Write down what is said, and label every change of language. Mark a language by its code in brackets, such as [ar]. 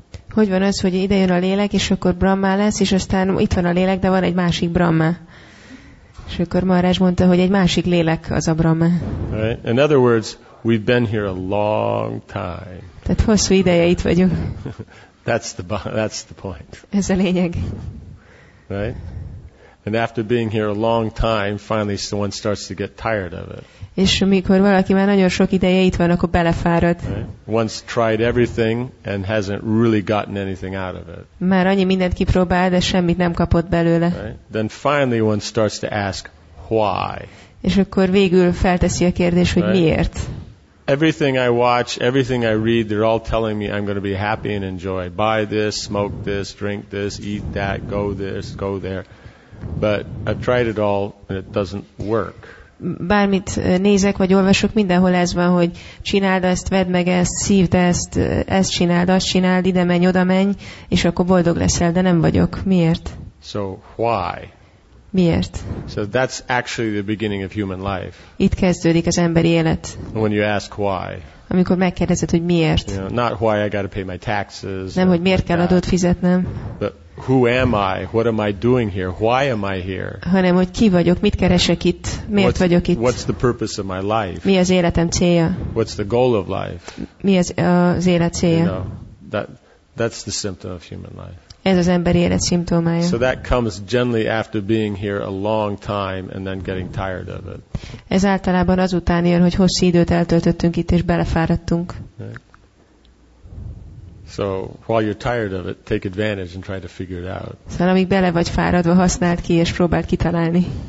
[hu] Hogy van az, hogy ide jön a lélek, és akkor Brahma lesz, és aztán itt van a lélek, de van egy másik Brahma. És akkor Maharaj mondta, hogy egy másik lélek az a Brahma. [en] Right? In other words, we've been here a long time. [hu] Tehát hosszú ideje itt vagyunk. [en] That's the point. [hu] Ez a lényeg. [en] Right? And after being here a long time, finally someone starts to get tired of it. [hu] És amikor valaki már nagyon sok ideje itt van, akkor belefárad. [en] Once tried everything and hasn't really gotten anything out of it. [hu] Már annyi mindent kipróbál, de semmit nem kapott belőle. [en] Then finally one starts to ask why. [hu] És akkor végül felteszi a kérdés, hogy miért. [en] Everything I watch, everything I read, they're all telling me I'm going to be happy and enjoy. Buy this, smoke this, drink this, go there. But I've tried it all and it doesn't work. [hu] Bármit nézek vagy olvasok, mindenhol ez van, hogy csináld ezt, vedd meg ezt, szívd ezt, ezt csináld, azt csináld, ide menj, oda menj, és akkor boldog leszel, de nem vagyok. Miért? [en] So why? [hu] Miért? [en] So that's actually the beginning of human life. [hu] Itt kezdődik az emberi élet. [en] When you ask why. [hu] Amikor megkérdezed, hogy miért. [en] You know, not why I got to pay my taxes. [hu] Nem, hogy miért kell adót fizetnem. [en] But who am I? What am I doing here? Why am I here? [hu] Hanem, hogy ki vagyok, mit keresek itt, miért [en] what's, [hu] vagyok itt. [en] What's the purpose of my life? [hu] Mi az életem célja? [en] What's the goal of life? [hu] Mi az, az élet célja? [en] You know, that's the symptom of human life. [hu] Ez az emberi élet szimptomája. [en] So that comes generally after being here a long time and then getting tired of it. [hu] Ez általában azután jön, hogy hosszú időt eltöltöttünk itt és belefáradtunk. [en] So while you're tired of it, take advantage and try to figure it out. [hu] Szóval amíg bele vagy fáradva, használd ki és próbáld kitalálni.